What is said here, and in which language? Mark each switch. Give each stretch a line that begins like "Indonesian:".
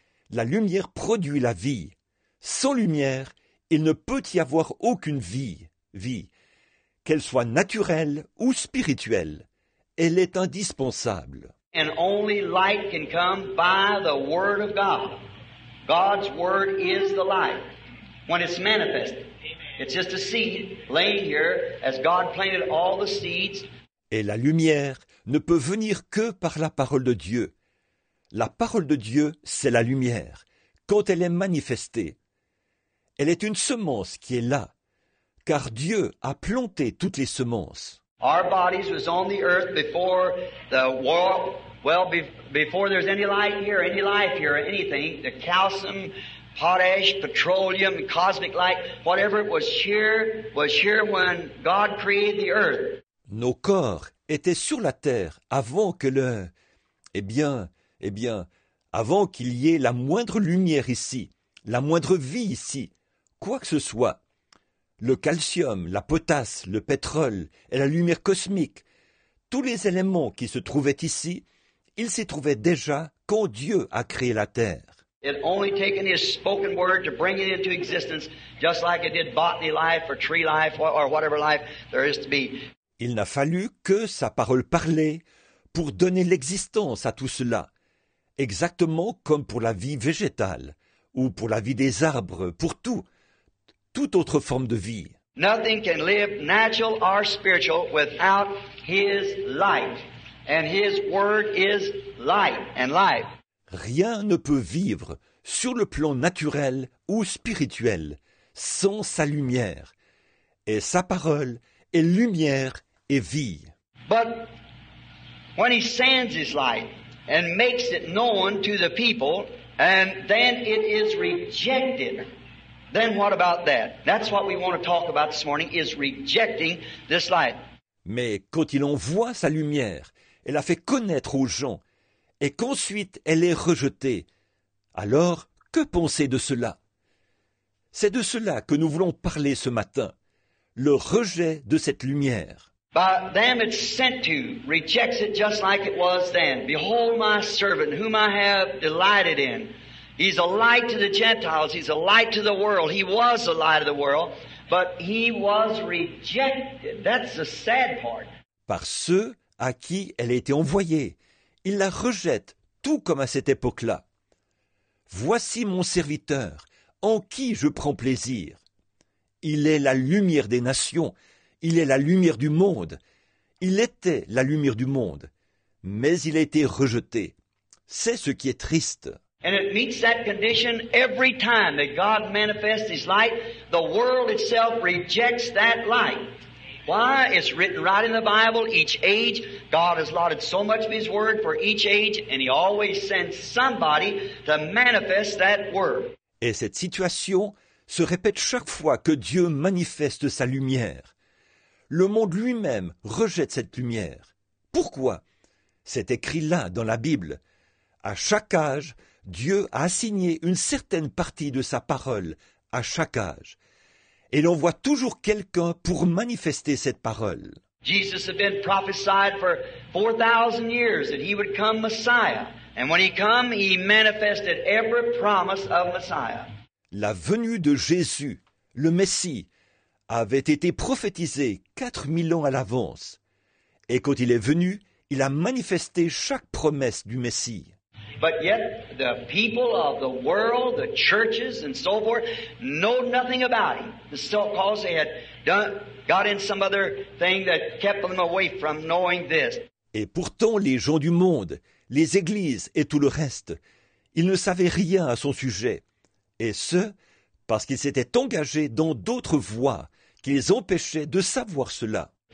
French: La lumière produit la vie. Sans lumière, il ne peut y avoir aucune vie, qu'elle soit naturelle ou spirituelle. Elle est indispensable.
English: And only light can come by the Word of God. God's Word is the light. When it's manifested, it's just a seed laying here as God planted all the seeds.
French: Et la lumière ne peut venir que par la parole de Dieu. La parole de Dieu, c'est la lumière, quand elle est manifestée. Elle est une semence qui est là, car Dieu a planté toutes les semences.
English: Our bodies was on the earth before the world, well, before there's any life here, anything, the calcium, potash, petroleum, cosmic light, whatever was here when God created the earth.
French: Nos corps étaient sur la terre avant que le... Eh bien, avant qu'il y ait la moindre lumière ici, la moindre vie ici, quoi que ce soit. Le calcium, la potasse, le pétrole et la lumière cosmique, tous les éléments qui se trouvaient ici, ils s'y trouvaient déjà quand Dieu a créé la terre.
English: It only taken his spoken word to bring it into existence, just like it did botany life or tree life or whatever life there is to be.
French: Il n'a fallu que sa parole parlée pour donner l'existence à tout cela, exactement comme pour la vie végétale ou pour la vie des arbres, pour toute autre forme de vie.
English: Nothing can live natural or spiritual without his light, and his word is light and life.
French: Rien ne peut vivre sur le plan naturel ou spirituel sans sa lumière. Et sa parole est lumière et vie.
English: But when he sends his light and makes it known to the people, and then it is rejected, then what about that? That's what we want to talk about this morning, is rejecting this light.
French: Mais quand il envoie sa lumière et la fait connaître aux gens, et qu'ensuite elle est rejetée. Alors, que penser de cela? C'est de cela que nous voulons parler ce matin, le rejet de cette lumière.
English: By them it's sent to, rejects it just like it was then. Behold my servant, whom I have delighted in. He's a light to the Gentiles, he's a light to the world. He was the light of the world, but he was rejected. That's the sad part.
French: Par ceux à qui elle a été envoyée, il la rejette, tout comme à cette époque-là. Voici mon serviteur, en qui je prends plaisir. Il est la lumière des nations, il est la lumière du monde. Il était la lumière du monde, mais il a été rejeté. C'est ce qui est triste.
English: And it meets that condition every time that God manifests his light, the world itself rejects that light. Why? It's written right in the Bible, each age. God has allotted so much of his word for each age, and he always sends somebody to manifest that word.
French: Et cette situation se répète chaque fois que Dieu manifeste sa lumière. Le monde lui-même rejette cette lumière. Pourquoi? C'est écrit là dans la Bible. À chaque âge, Dieu a assigné une certaine partie de sa parole à chaque âge. Et l'on voit toujours quelqu'un pour manifester cette parole.
English: Jesus had been prophesied for 4,000 years that he would come Messiah. And when he came, he manifested every promise of Messiah.
French: La venue de Jésus, le Messie, avait été prophétisée 4,000 ans à l'avance. Et quand il est venu, il a manifesté chaque promesse du Messie.
English: But yet the people of the world, the churches and so forth, know nothing about him. It's because they had got in some other thing that kept them away from knowing this.
French: Et pourtant les gens du monde, les églises et tout le reste, ils ne savaient rien à son sujet. Et ce, parce qu'ils s'étaient engagés dans d'autres voies qui les empêchait de savoir cela.